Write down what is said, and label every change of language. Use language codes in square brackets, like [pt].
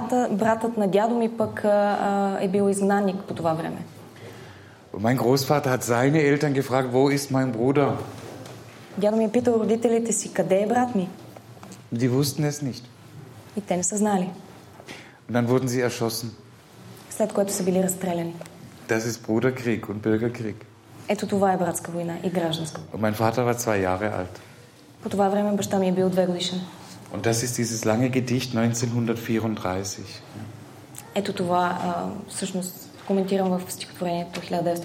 [bg] Братът на дядо ми пък е бил изгнанник по това време. [de] Mein Großvater hat seine Eltern gefragt, wo ist mein Bruder? [bg] Дядо ми е питал родителите си, къде е брат ми? [de] Die wussten es nicht. [bg] И те не са знали. [de] Und dann wurden sie erschossen. [bg] След което са били разстреляни. [de] Das ist Bruderkrieg und Bürgerkrieg. [bg] Ето това е братска война и гражданска. [de] Und mein Vater war 2 Jahre alt. [bg] По това време баща ми е бил 2 годишен. [de] Und das ist dieses lange Gedicht 1934. [bg] Ето това всъщност коментирам в стихотворението 1934.